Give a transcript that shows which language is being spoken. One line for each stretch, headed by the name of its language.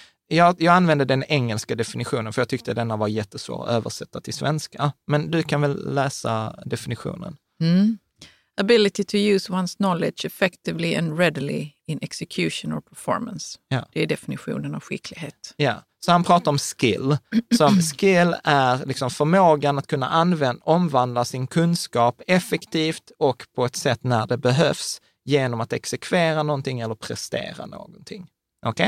Swedish: Jag använder den engelska definitionen för jag tyckte denna var jättesvår att översätta till svenska. Men du kan väl läsa definitionen. Mm.
English: Ability to use one's knowledge effectively and readily in execution or performance.
Swedish: Ja. Det är definitionen av skicklighet. Ja, så han pratar om skill. Som skill är liksom förmågan att kunna omvandla sin kunskap effektivt och på ett sätt när det behövs genom att exekvera någonting eller prestera någonting. Okej?